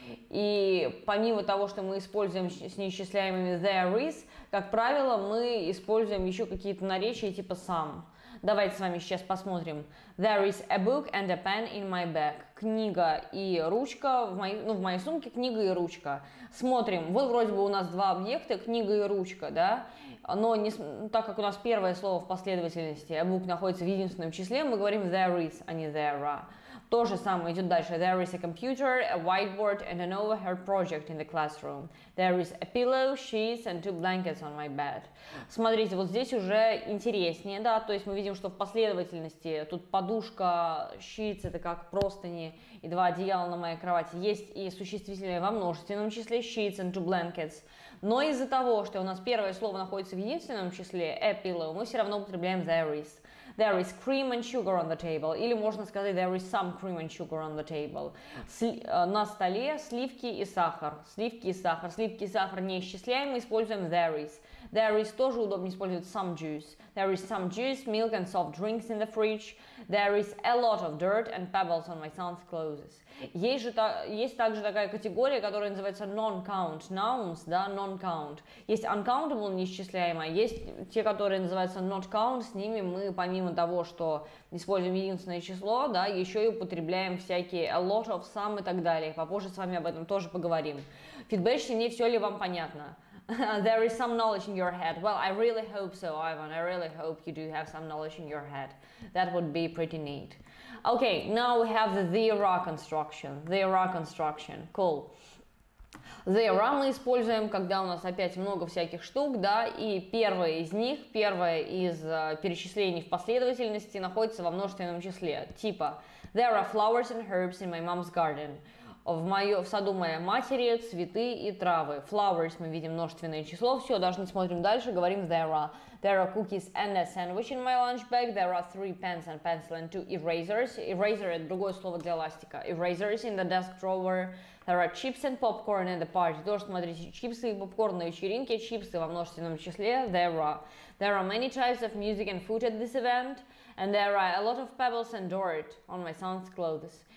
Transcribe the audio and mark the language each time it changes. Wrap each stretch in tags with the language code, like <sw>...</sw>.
<ru>И помимо того, что мы используем с неисчисляемыми there is, как правило, мы используем еще какие-то наречия типа some. Давайте с вами сейчас посмотрим.</ru> <en>There is a book and a pen in my bag.</en> <ru>Книга и ручка в моей сумке, книга и ручка. Смотрим. Вот вроде бы у нас два объекта, книга и ручка, да? Но не, так как у нас первое слово в последовательности, a book находится в единственном числе, мы говорим there is, а не there are. То же самое идет дальше.</ru> <en>There is a computer, a whiteboard and an overhead project in the classroom. There is a pillow, sheets and two blankets on my bed.</en> <ru>Смотрите, вот здесь уже интереснее, да? То есть мы видим, что в последовательности тут подушка, sheets, это как простыни и два одеяла на моей кровати. Есть и существительное во множественном числе,</ru> <en>sheets and two blankets.</en> <ru>Но из-за того, что у нас первое слово находится в единственном числе, a pillow, мы все равно употребляем there is.</ru> <en>There is cream and sugar on the table.</en> <ru>Или можно сказать</ru> <en>there is some cream and sugar on the table.</en> <ru>На столе сливки и сахар. Сливки и сахар. Сливки и сахар неисчисляемы, используем there is.</ru> <en>There is</en> <ru>тоже удобнее использовать</ru> <en>some juice. There is some juice, milk and soft drinks in the fridge. There is a lot of dirt and pebbles on my son's clothes.</en> <ru>Есть также такая категория, которая называется non-count nouns, да, non-count. Есть uncountable, неисчисляемая, есть те, которые называются not count, с ними мы помимо того, что используем единственное число, да, еще и употребляем всякие a lot of, some и так далее. Попозже с вами об этом тоже поговорим. Фидбэчьте мне, все ли вам понятно.</ru> <en>There is some knowledge in your head. Well, I really hope so, Ivan. I really hope you do have some knowledge in your head. That would be pretty neat. Okay, now we have the there are construction. There are construction. Cool.</en> <ru>There are мы используем, когда у нас опять много всяких штук, да, и первое из них, первое из перечислений в последовательности находится во множественном числе. Типа,</ru> <en>there are flowers and herbs in my mom's garden.</en> <ru>В саду моей матери цветы и травы. Flowers мы видим множественное число. Все, даже не смотрим дальше, говорим there are.</ru> <en>There are cookies and a sandwich in my lunch bag. There are three pens and pencil and two erasers.</en> <ru>Eraser — это другое слово для ластика.</ru> <en>Erasers in the desk drawer. There are chips and popcorn at the party.</en> <ru>Тоже смотрите, чипсы и попкорн на вечеринке. Чипсы во множественном числе.</ru> <en>There are. There are many types of music and food at this event. And there are a lot of pebbles and dirt on my son's clothes.</en>